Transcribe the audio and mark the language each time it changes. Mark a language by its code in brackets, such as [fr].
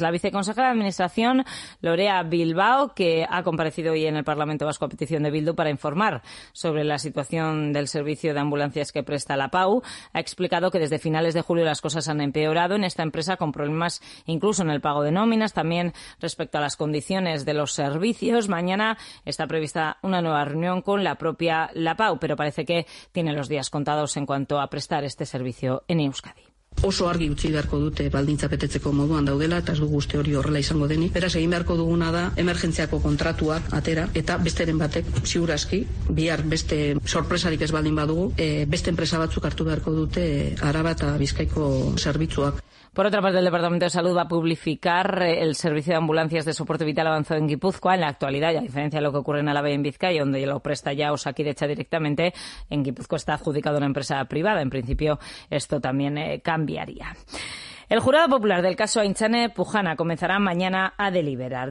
[es] La viceconsejera de Administración, Lorea Bilbao, que ha comparecido hoy en el Parlamento Vasco a petición de Bildu para informar sobre la situación del servicio de ambulancias que presta La Pau, ha explicado que desde finales de julio las cosas han empeorado en esta empresa, con problemas incluso en el pago de nóminas, también respecto a las condiciones de los servicios. Mañana está prevista una nueva reunión con la propia La Pau, pero parece que tiene los días contados en cuanto a prestar este servicio en Euskadi. [eu] Oso argi utzi beharko dute baldintza betetzeko moduan daudela, eta ez dugu uste hori horrela izango denik. Beraz, egin beharko duguna da emergentziako kontratuak atera, eta besteren batek, ziurazki, bihar beste sorpresarik ez baldin badugu, beste enpresa batzuk hartu beharko dute Araba eta Bizkaiko zerbitzuak. [es] Por otra parte, el Departamento de Salud va a publicar el servicio de ambulancias de soporte vital avanzado en Guipúzcoa. En la actualidad, y a diferencia de lo que ocurre en Álava y en Vizcaya, donde lo presta ya Osakidetza directamente, en Guipúzcoa está adjudicado una empresa privada. En principio, esto también cambiaría. El jurado popular del caso Aintzane Pujana comenzará mañana a deliberar.